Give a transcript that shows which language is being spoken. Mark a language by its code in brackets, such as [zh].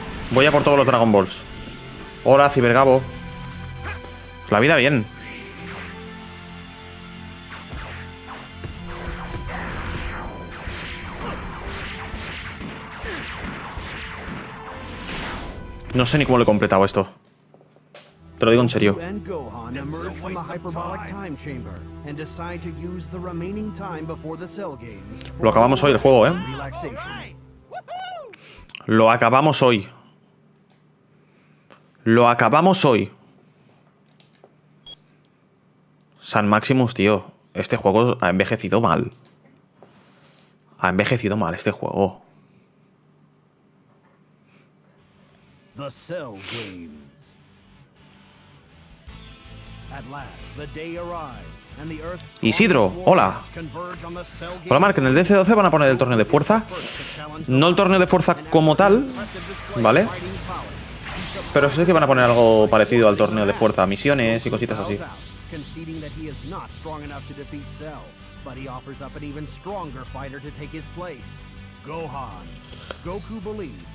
[es] Voy a por todos los Dragon Balls. Hola, Cibergabo. La vida bien. No sé ni cómo lo he completado esto. Te lo digo en serio. [en] Gohan emerge from the hyperbolic time chamber and decide to use the remaining time before the Cell Games. [es] Lo acabamos hoy el juego, ¿eh? Lo acabamos hoy. Lo acabamos hoy. San Maximus, tío. Este juego ha envejecido mal. Ha envejecido mal este juego. [en] The Cell Games. At last, the day arrives, and the Earth's... [es] Isidro, hola. Hola, Mark. ¿En el DC-12 van a poner el torneo de fuerza? No el torneo de fuerza como tal, ¿vale? Pero sé que van a poner algo parecido al torneo de fuerza, misiones y cositas así. [en] Conceding that he is not strong enough to defeat Cell, but he offers up an even stronger fighter to take his place. Gohan. Goku believes